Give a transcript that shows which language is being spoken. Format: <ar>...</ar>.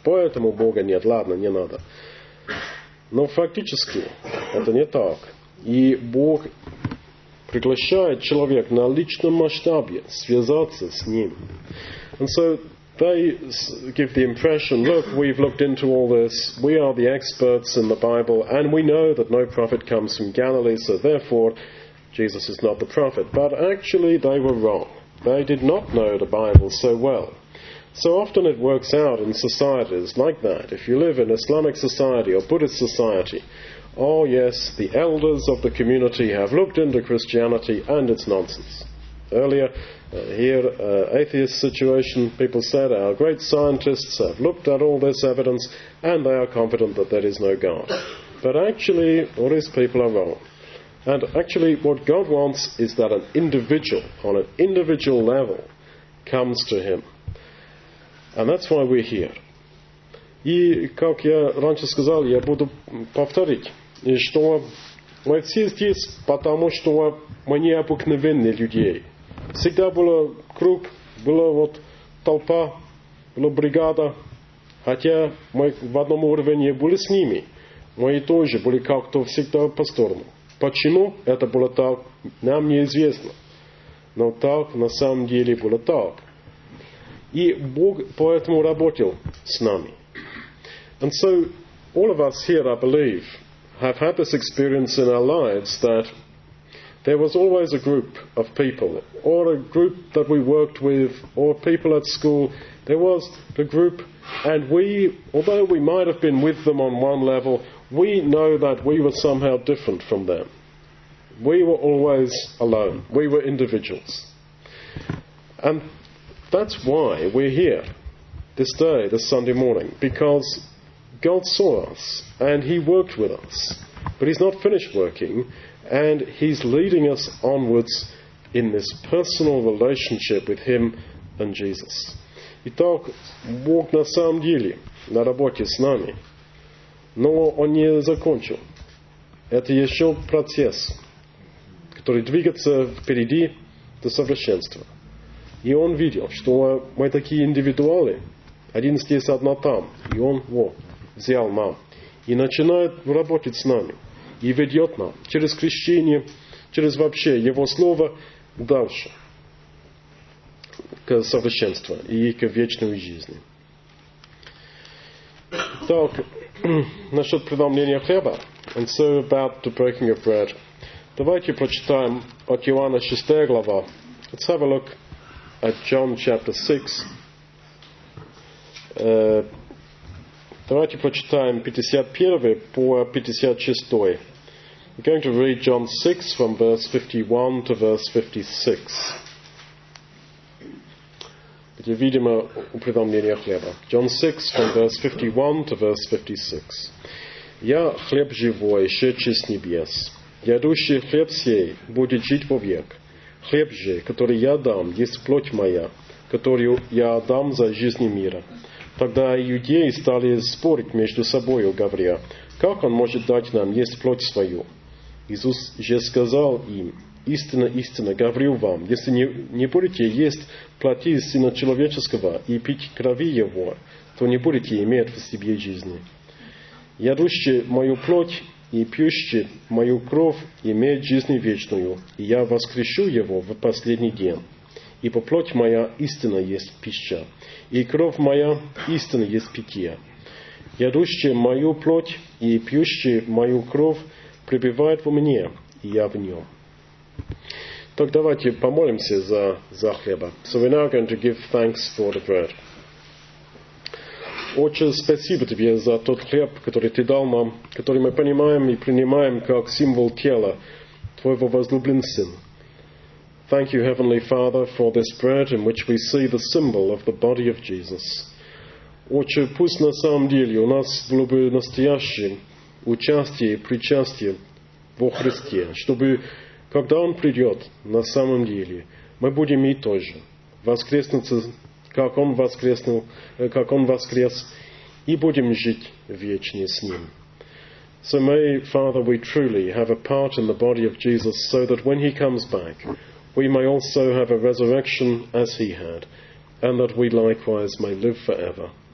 <ru>Поэтому Бога нет, ладно, не надо. Но фактически это не так. И Бог приглашает человека на личном масштабе связаться с Ним.</ru> <en>And so, they give the impression, look, we've looked into all this, we are the experts in the Bible, and we know that no prophet comes from Galilee, so therefore, Jesus is not the prophet. But actually, they were wrong. They did not know the Bible so well. So often it works out in societies like that. If you live in Islamic society or Buddhist society, oh yes, the elders of the community have looked into Christianity and its nonsense. Earlier, atheist situation, people said our great scientists have looked at all this evidence and they are confident that there is no God. But actually, all these people are wrong. And actually, what God wants is that an individual, on an individual level, comes to him. And that's why we're here.</en> <ru>И, как я раньше сказал, я буду повторить, что мы все здесь, потому что мы необыкновенные люди. Всегда было круг, была толпа, была бригада, хотя мы в одном уровне были с ними, мы тоже были как-то всегда по сторону. Почему это было так, нам неизвестно. Но так на самом деле было так. И Бог поэтому работал с нами.</ru> <en>And so, all of us here, I believe, have had this experience in our lives that there was always a group of people, or a group that we worked with, or people at school. There was the group, and we, although we might have been with them on one level, we know that we were somehow different from them. We were always alone. We were individuals. And that's why we're here this day, this Sunday morning, because God saw us and he worked with us. But he's not finished working, and he's leading us onwards in this personal relationship with him and Jesus.</en> <ru>Итак, Бог на самом деле на работе с нами, но он не закончил. Это еще процесс, который двигается впереди до совершенства. И он видел, что мы такие индивидуалы, один здесь, одна там, и он его взял нам. И начинает работать с нами, и ведет нам через крещение, через вообще его слово дальше. К совершенству и к вечной жизни. Так, насчет преломления хлеба.</ru> <en>And so about the breaking of bread.</en> <ru>Давайте прочитаем от Иоанна 6 глава.</ru> <en>Let's have a look at John chapter 6.</en> <ru>Давайте прочитаем 51 по 56.</ru> <en>We're going to read John 6 from verse 51 to verse 56.</en> <ru>Где видимо упреломление хлеба.</ru> <en>John 6, from verse 51 to verse 56.</en> <ru>«Я хлеб живой, шедший с небес. Ядущий хлеб сей будет жить вовек. Хлеб же, который я дам, есть плоть моя, которую я дам за жизнь мира». Тогда иудеи стали спорить между собою, говоря, «Как он может дать нам есть плоть свою?» Иисус же сказал им, «Истинно, истинно, говорю вам, если не будете есть плоти Сына Человеческого и пить крови Его, то не будете иметь в себе жизни. Ядущий мою плоть и пьющий мою кровь имеет жизнь вечную, и я воскрешу его в последний день. Ибо плоть моя истинно есть пища, и кровь моя истинно есть питье. Ядущий мою плоть и пьющий мою кровь пребывает во мне, и я в нем». Так давайте помолимся за хлеба.</ru> <en>So we're now going to give thanks for the bread.</en> <ru>Отче, спасибо тебе за тот хлеб, который ты дал нам, который мы понимаем и принимаем как символ тела твоего возлюбленного сына.</ru> <en>Thank you, Heavenly Father, for this bread in which we see the symbol of the body of Jesus.</en> <ru>Отче, пусть на самом деле у нас было бы настоящее участие и причастие во Христе, чтобы когда Он придет, на самом деле, мы будем и тоже воскреснуться, как Он воскреснул, как Он воскрес, и будем жить вечно с Ним.</ru> <en>So may, Father, we truly have a part in the body of Jesus, so that when He comes back, we may also have a resurrection as He had, and that we likewise may live forever.</en>